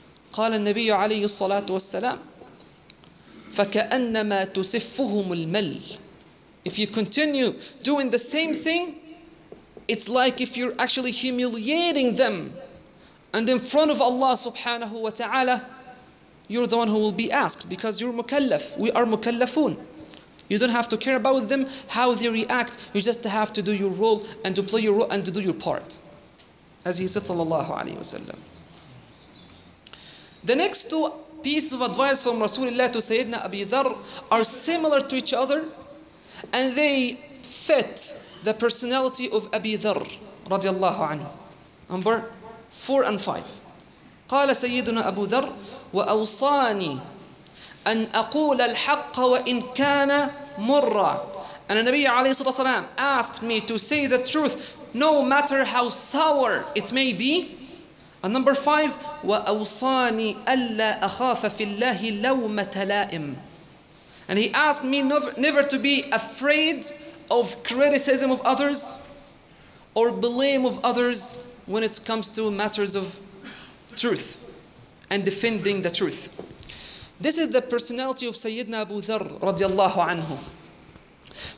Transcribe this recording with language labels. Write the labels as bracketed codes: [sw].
[ar] قال النبي عليه الصلاة والسلام فكأنما تسفهم المل. [en] If you continue doing the same thing, it's like if you're actually humiliating them. And in front of Allah subhanahu wa ta'ala, you're the one who will be asked, because you're mukallaf. We are mukallafun. You don't have to care about them, how they react. You just have to do your role and to play your role and to do your part. As he said, sallallahu alayhi wa sallam. The next two pieces of advice from Rasulullah to Sayyidina Abi Dharr are similar to each other, and they fit the personality of Abi Dharr radiallahu anhu. Number 4 and 5. [ar] قال سيدنا أبو ذر وأوصاني أن أقول الحق وإن كان مرا. [en] And the Nabi عليه الصلاة والسلام asked me to say the truth no matter how sour it may be. [ar] And number 5, وأوصاني ألا أخاف في الله لومة لائم. [en] And he asked me never to be afraid of criticism of others or blame of others when it comes to matters of truth and defending the truth. This is the personality of Sayyidina Abu Dharr radiallahu anhu.